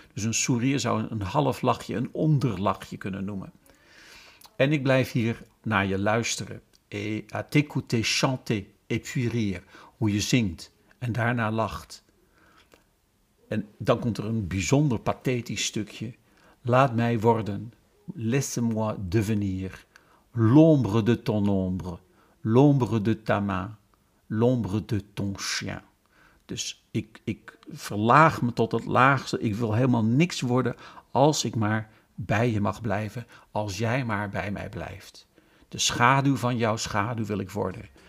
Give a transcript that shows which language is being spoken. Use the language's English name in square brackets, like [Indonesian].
[Dutch] Dus een sourire zou een half lachje, een onderlachje kunnen noemen. En ik blijf hier naar je luisteren. [French] Et à t'écouter chanter et puis rire, [Dutch] hoe je zingt en daarna lacht. En dan komt er een bijzonder pathetisch stukje. Laat mij worden, [French] laisse-moi devenir. L'ombre de ton ombre, l'ombre de ta main, l'ombre de ton chien. [Dutch] Dus ik verlaag me tot het laagste. Ik wil helemaal niks worden als ik maar bij je mag blijven. Als jij maar bij mij blijft. De schaduw van jouw schaduw wil ik worden.